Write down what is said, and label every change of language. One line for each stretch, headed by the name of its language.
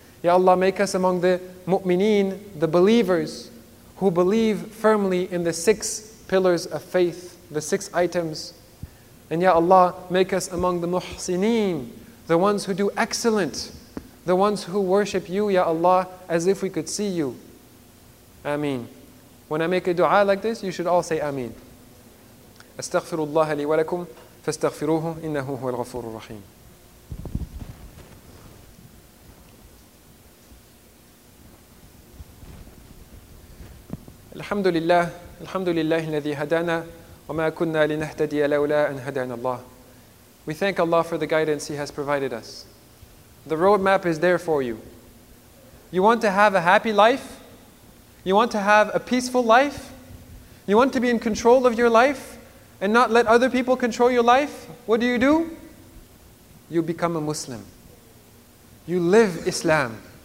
English: Ya Allah, make us among the Mu'mineen, the believers who believe firmly in the 6 pillars of faith, the 6 items. And ya Allah, make us among the muhsineen, the ones who do excellent, the ones who worship you, ya Allah, as if we could see you. Ameen. When I make a dua like this, you should all say ameen.
Arabic: أستغفر الله لي ولكم فاستغفروه إنه هو الغفور الرحيم. الحمد لله الحمد لله الذي هدانا وما كنا لنهتدي لولا أن هدانا الله.
English: We thank Allah for the guidance He has provided us. The roadmap is there for you. You want to have a happy life? You want to have a peaceful life? You want to be in control of your life and not let other people control your life? What do? You become a Muslim. You live Islam.